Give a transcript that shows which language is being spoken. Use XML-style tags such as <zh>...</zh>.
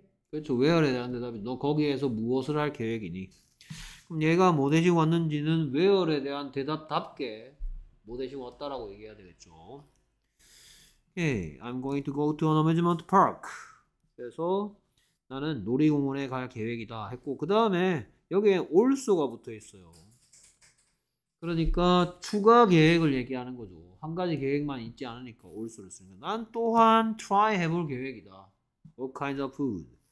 <ko>그렇죠. Where에 대한 대답이 너 거기에서 무엇을 할 계획이니? 그럼 얘가 뭐 대신 왔는지는 Where에 대한 대답답게 뭐 대신 왔다라고 얘기해야 되겠죠.</ko> <en>Okay. I'm going to go to an amusement park.</en> <ko>그래서 나는 놀이공원에 갈 계획이다 했고 그 다음에 여기에 also가 붙어 있어요. 그러니까 추가 계획을 얘기하는 거죠. 한 가지 계획만 있지 않으니까 also를 쓰는 거. 난 또한 try 해볼 계획이다.</ko> <en>What kind of food?</en>